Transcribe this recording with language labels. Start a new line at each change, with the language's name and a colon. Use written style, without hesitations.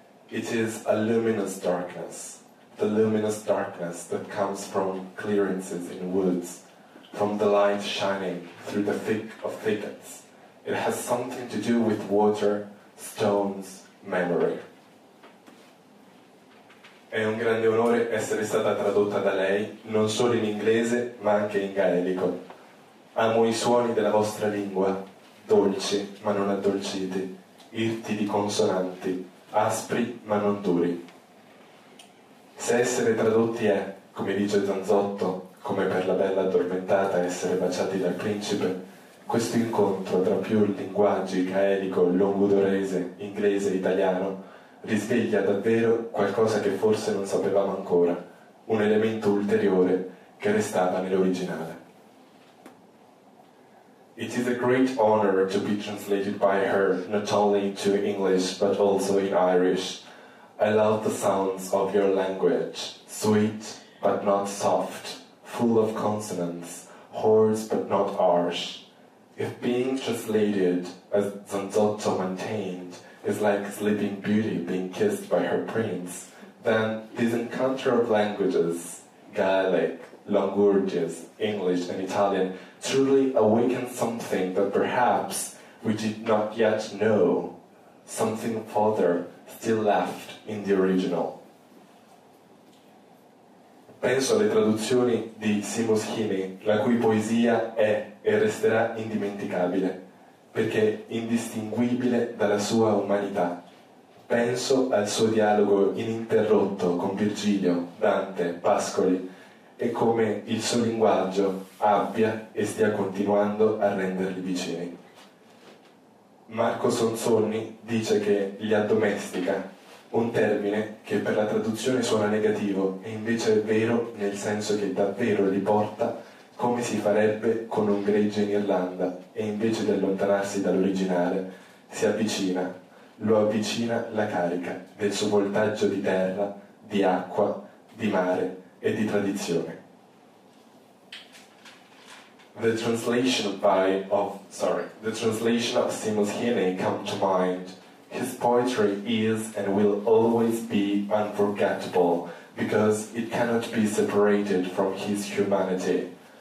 English: It is a luminous darkness, the luminous darkness that comes from clearances in woods, from the light shining through the thick of thickets. It has something to do with water, stones, memory.
Italian: È un grande onore essere stata tradotta da lei, non solo in inglese, ma anche in gaelico. Amo i suoni della vostra lingua, dolci ma non addolciti, irti di consonanti, aspri ma non duri. Se essere tradotti è, come dice Zanzotto, come per la bella addormentata essere baciati dal principe, questo incontro tra più linguaggi, gaelico, longudorese, inglese e italiano, risveglia davvero qualcosa che forse non sapevamo ancora, un elemento ulteriore che restava nell'originale.
English: It is a great honor to be translated by her, not only to English but also in Irish. I love the sounds of your language, sweet but not soft, full of consonants, hoarse but not harsh. If being translated, as Zanzotto maintained, is like Sleeping Beauty being kissed by her prince, then this encounter of languages, Gaelic, Longurges, English and Italian, truly awakens something that perhaps we did not yet know, something further still left in the original.
Italian: Penso alle traduzioni di Seamus Heaney, la cui poesia è e resterà indimenticabile, perché indistinguibile dalla sua umanità. Penso al suo dialogo ininterrotto con Virgilio, Dante, Pascoli, e come il suo linguaggio abbia e stia continuando a renderli vicini. Marco Sonzoni dice che li addomestica, un termine che per la traduzione suona negativo e invece è vero nel senso che davvero li porta come si farebbe con un gregge in Irlanda e invece di allontanarsi dall'originale, si avvicina, lo avvicina la carica del suo voltaggio di terra, di acqua, di mare e di tradizione.
English: The translation of Seamus Heaney come to mind. His poetry is and will always be unforgettable because it cannot be separated from his humanity.